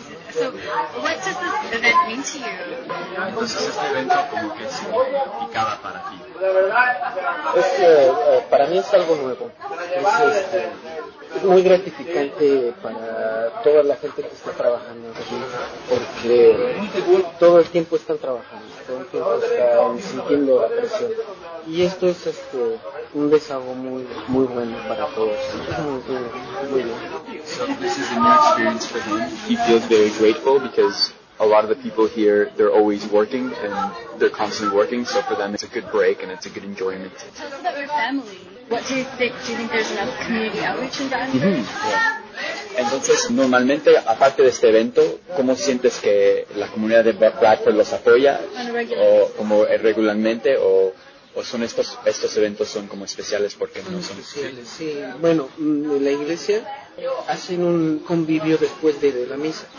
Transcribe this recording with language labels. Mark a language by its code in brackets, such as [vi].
[en] So what does this event mean to you? This is an event that is like picada for you. [es] Es para mí es algo nuevo. Es muy gratificante para toda la gente que está trabajando aquí, porque todo el tiempo están trabajando, todo el tiempo están sintiendo la presión. Y esto es un desahogo muy muy bueno para todos. Muy bien. [en] So this is a new experience for him. He feels very grateful because a lot of the people here, they're always working, and they're constantly working, so for them it's a good break and it's a good enjoyment. Tell us about your family. What do you think there's enough community outreach in Denver? Mm-hmm. Yeah. [es] Entonces, normalmente, aparte de este evento, ¿cómo sientes que la comunidad de Bradford los apoya? ¿O como regularmente? ¿O son estos eventos son como especiales porque no son especiales? Sí, bueno, en la iglesia hacen un convivio después de la misa.